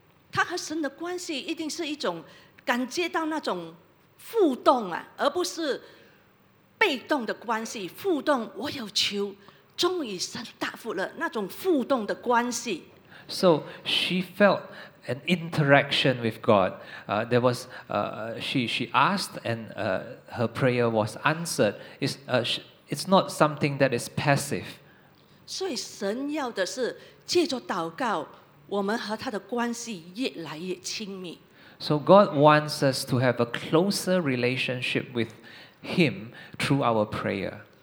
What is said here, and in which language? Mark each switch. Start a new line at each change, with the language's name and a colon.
Chinese: 她和神的关系一定是一种感觉到那种互动啊，而不是被动的关系。互动，我有求，终于神答复了那种互动的关系。
English: So she felt an interaction with God. There was she asked, and her prayer was answered. It's not something that is passive.
Chinese: 所以神要的是借着祷告。
English: So God wants us to have a closer relationship with Him through our prayer.